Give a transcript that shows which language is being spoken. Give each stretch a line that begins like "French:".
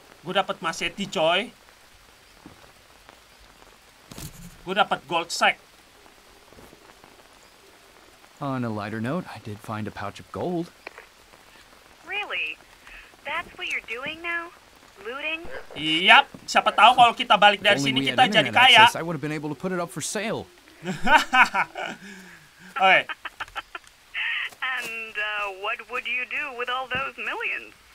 Indonesian: Gua dapat machete, coy. Gua dapat gold sack.
English: On a lighter note, I did find a pouch of gold. Really? That's what you're doing now? Looting?
Indonesian: Yap, siapa tahu kalau kita balik dari sini kita jadi kaya.
English: Access, I would have been able to put it up for sale. Okay. And what would you do with all those millions?